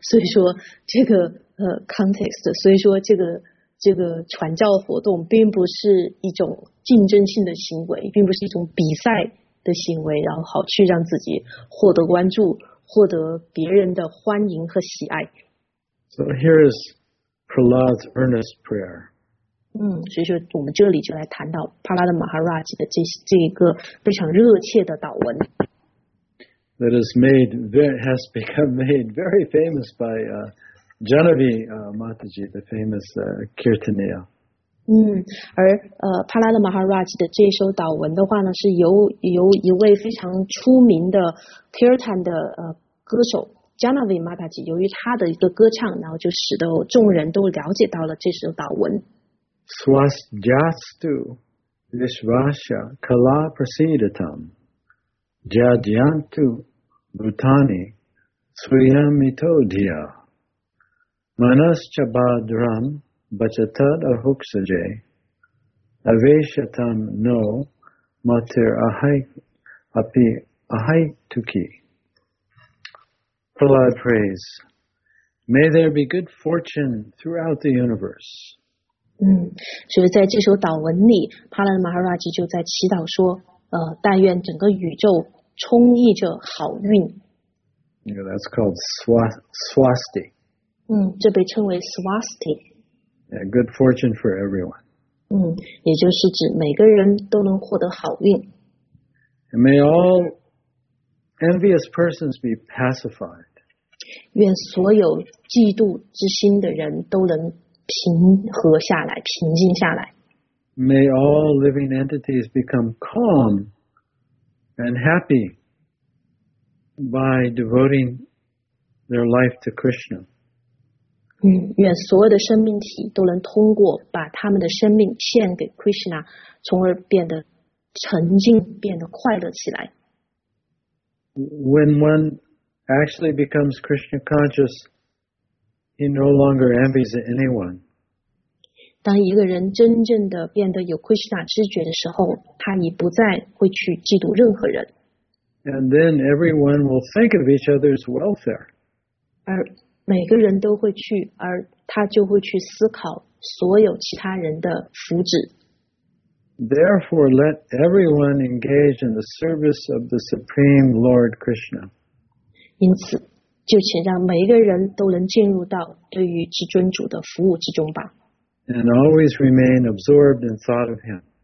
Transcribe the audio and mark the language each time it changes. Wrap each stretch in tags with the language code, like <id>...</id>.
<zh>所以说这个context， 所以说这个传教活动并不是一种竞争性的行为，并不是一种比赛的行为，然后好去让自己获得关注，获得别人的欢迎和喜爱。</zh> <en>So here is Prahlad's earnest prayer.</en> <zh>所以说我们这里就来谈到帕拉德马哈拉吉的这个非常热切的祷文。</zh> <en>That is made has become made very famous by Genevieve Mataji, the famous Kirtaniya.</en> <zh>而帕拉德马哈拉吉的这首祷文的话呢，是由一位非常出名的 Kirtan 的歌手 Genevieve Mataji， 由于他的一个歌唱，然后就使得众人都了解到了这首祷文。</zh> <sa>Swastjastu Vishvasya Kala Prasiditam Jadyantu Bhutani Swiyamito DhyaManas chabadram bachatad ahuksaje aveshatam no matir ahai api ahai tuki.</sa> <en>Prahlad prays, may there be good fortune throughout the universe.</en> <zh>所以在这首祷文里，帕拉马哈拉吉就在祈祷说，但愿整个宇宙充溢着好运。</zh> <en>Yeah, that's called swasti.</en> <zh>这被称为 swasti.</zh> <en>Yeah, good fortune for everyone.</en> <zh>也就是指每个人都能获得好运。</zh> <en>And may all envious persons be pacified.</en> <zh>愿所有嫉妒之心的人都能平和下来，平静下来。</zh> <en>May all living entities become calm and happy by devoting their life to Krishna.</en> <zh>愿所有的生命体都能通过把他们的生命献给 Krishna， 从而变得沉静，变得快乐起来。</zh> <en>When one actually becomes Krishna conscious, he no longer envies anyone.</en> <zh>当一个人真正的变得有 Krishna 知觉的时候，他已不再会去嫉妒任何人。</zh> <en>And then everyone will think of each other's welfare.</en> <zh>每个人都会去，而他就会去思考所有其他人的福祉。</zh> <en>Therefore, let everyone engage in the service of the Supreme Lord Krishna.</en> <zh>因此，就请让每一个人都能进入到对于至尊主的服务之中吧。</zh> <en>And always remain absorbed in thought of him.</en>